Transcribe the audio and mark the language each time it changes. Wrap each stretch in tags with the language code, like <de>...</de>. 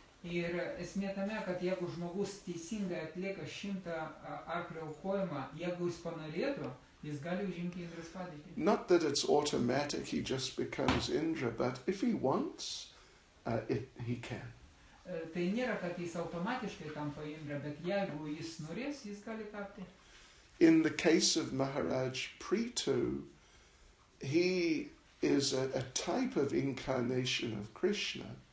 <lt>Ir esmė tame, kad jeigu žmogus teisingai atlieka 100 arklio aukojimą, jeigu jis panorėtų, jis gali užimti Indras padėtį.</lt> <en>Not that it's automatic, he just becomes Indra, but if he wants, he can.</en> <lt>Tai nėra, kad jis automatiškai tampa Indra, bet jeigu jis norės, jis gali tapti.</lt> <en>In the case of Maharaj Prithu, he is a type of incarnation of Krishna.</en>